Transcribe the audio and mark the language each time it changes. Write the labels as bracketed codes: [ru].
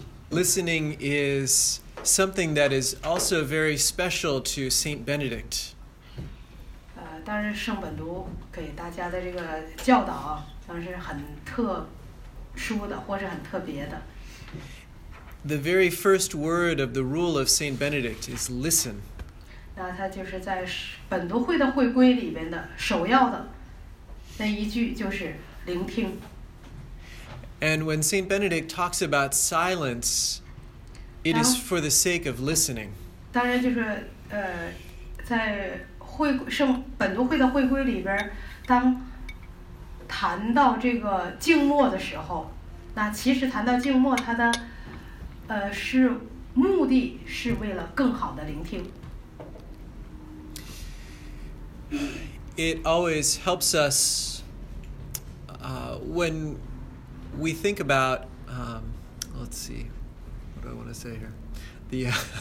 [en] Listening is something that is also very special to Saint Benedict. [zh] 当时圣本笃给大家的这个教导，当时很特殊的，或者很特别的。 [en] The very first word of the rule of Saint Benedict is listen. [zh] 那他就是在本笃会的会规里边的首要的那一句就是聆听。 [en] And when Saint Benedict talks about silence, it is for the sake of listening. [zh] 当然就是在会圣本都会的会规里边，当谈到这个静默的时候，那其实谈到静默，它的是目的是为了更好的聆听。 [en] It always helps us when we think about, let's see, what do I want to say here?